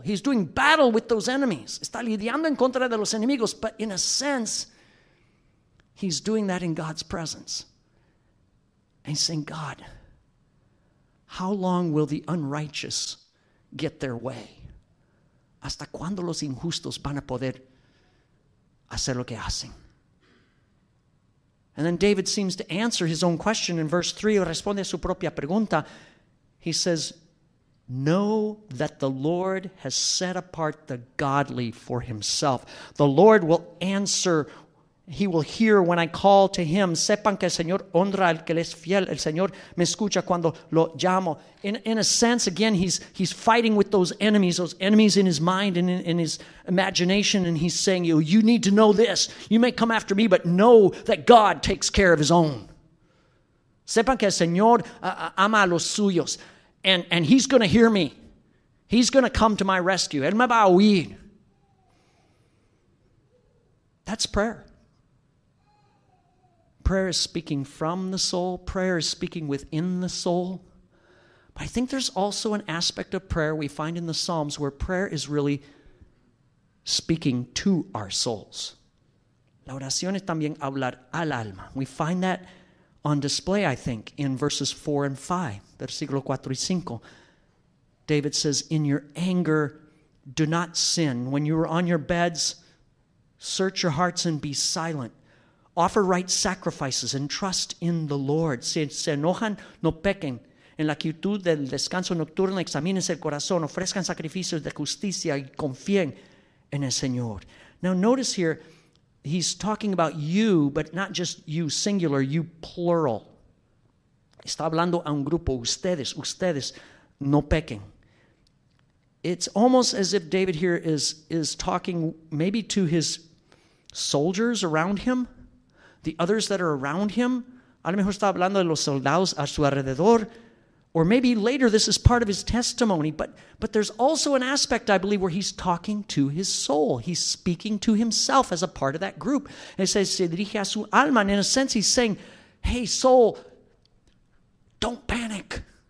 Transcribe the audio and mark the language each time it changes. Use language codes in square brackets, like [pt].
[en] He's doing battle with those enemies. [es] Está lidiando en contra de los enemigos, [en] but in a sense, he's doing that in God's presence. And he's saying, God, how long will the unrighteous get their way? [es] ¿Hasta cuándo los injustos van a poder hacer lo que hacen? [en] And then David seems to answer his own question in verse 3. [es] Responde a su propia pregunta. [en] He says, know that the Lord has set apart the godly for himself. The Lord will answer. He will hear when I call to him. [es] Sepan que el Señor honra al que le es fiel. El Señor me escucha cuando lo llamo. [en] In a sense, again, he's fighting with those enemies in his mind and in his imagination. And he's saying, you need to know this. You may come after me, but know that God takes care of his own. [es] Sepan que el Señor ama a los suyos. [en] And he's going to hear me. He's going to come to my rescue. [es] Él me va a oír. [en] That's prayer. Prayer is speaking from the soul. Prayer is speaking within the soul. But I think there's also an aspect of prayer we find in the Psalms where prayer is really speaking to our souls. [es] La oración es también hablar al alma. [en] We find that on display, I think, in verses 4 and 5. [es] Versículo 4 y 5. [en] David says, in your anger, do not sin. When you are on your beds, search your hearts and be silent. Offer right sacrifices and trust in the Lord. [es] Si se enojan, no pequen. En la quietud del descanso nocturno, examines el corazón. Ofrezcan sacrificios de justicia y confíen en el Señor. [en] Now notice here, he's talking about you, but not just you singular, you plural. [es] Está hablando a un grupo, ustedes, no pequen. [en] It's almost as if David here is talking maybe to his soldiers around him, the others that are around him. [es] A lo mejor está hablando de los soldados a su alrededor. [en] Or maybe later this is part of his testimony, but there's also an aspect, I believe, where he's talking to his soul. He's speaking to himself as a part of that group. And he says, [es] se dirige a su alma. [en] And in a sense, he's saying, hey, soul, Don't panic.